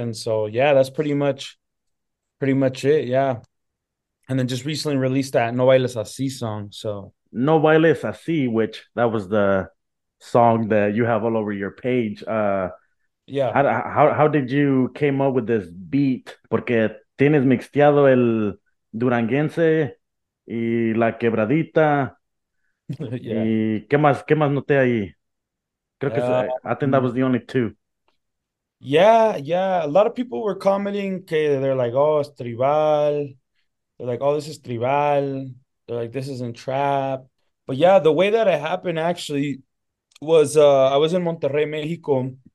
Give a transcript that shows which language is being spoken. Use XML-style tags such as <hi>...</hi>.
<en>And so, yeah, that's pretty much it. Yeah. And then just recently released that No Bailes Así song. So No Bailes Así, which that was the song that you have all over your page. Yeah. How did you came up with this beat?</en> <es>Porque tienes mixteado el Duranguense y la quebradita. Yeah. Y qué más noté ahí? Creo que</es> <en>I think that was the only two. Yeah. A lot of people were commenting que they're like, oh, it's tribal. They're like, oh, this is tribal. They're like, this isn't trap. But yeah, the way that it happened actually was I was in Monterrey, Mexico.</en>